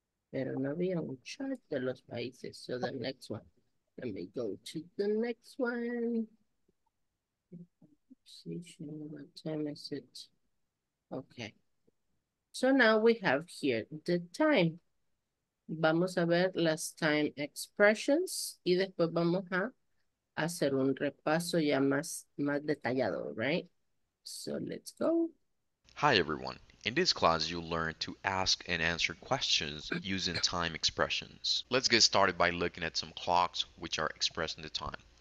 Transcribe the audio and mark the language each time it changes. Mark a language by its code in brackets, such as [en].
[es] Pero no había un chat de los países. [en] So the next one, let me go to the next one. What time is it? Okay. So now we have here the time. [es] Vamos a ver las time expressions y después vamos a hacer un repaso ya más detallado, right? [en] So let's go. Hi, everyone. In this class, you'll learn to ask and answer questions using time expressions. Let's get started by looking at some clocks which are expressing the time.